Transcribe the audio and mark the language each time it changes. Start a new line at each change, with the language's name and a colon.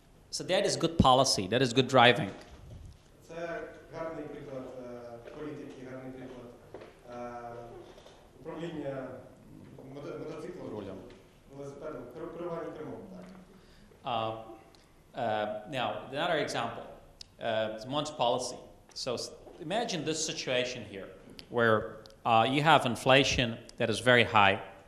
English: So that is good policy, that is good driving.
Ukrainian: Це гарний приклад політики, гарний приклад управління мотоциклом, рулем, велосипедом, керування кермом, так.
English: Now, another example, it's Monte policy. So imagine this situation here, where you have inflation that is very high.